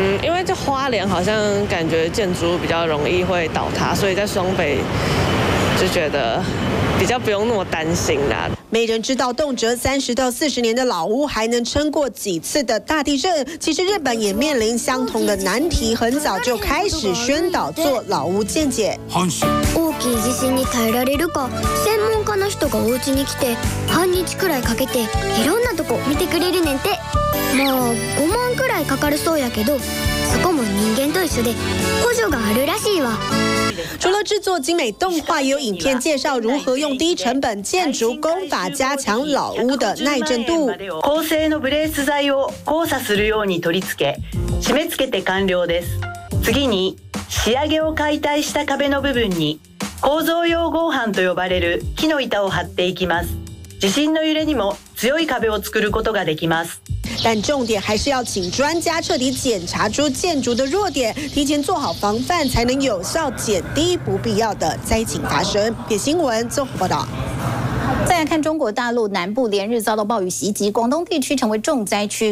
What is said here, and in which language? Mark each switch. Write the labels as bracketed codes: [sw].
[zh] 因为这花莲好像感觉建筑比较容易会倒塌，所以在双北就觉得比较不用那么担心啦。没人知道动辄30到40年的老屋还能撑过几次的大地震。其实日本也面临相同的难题，很早就开始宣导做老屋建解。 [ja] 大きい地震に耐えられるか、専門家の人がお家に来て半日くらいかけていろんなとこ見てくれるねんて。まあ5万くらいかかるそうやけど、そこも人間と一緒で補助があるらしいわ。 [zh] 除了制作精美动画，也有影片介绍如何用低成本建筑工法加强老屋的耐震度。 [ja] 鋼製のブレース材を交差するように取り付け、締め付けて完了です。次に仕上げを解体した壁の部分に構造用合板と呼ばれる木の板を張っていきます。地震の揺れにも強い壁を作ることができます。 [zh] 但重点还是要请专家彻底检查出建筑的弱点，提前做好防范，才能有效减低不必要的灾情发生。 《点新闻》综合报道。再来看中国大陆南部连日遭到暴雨袭击，广东地区成为重灾区。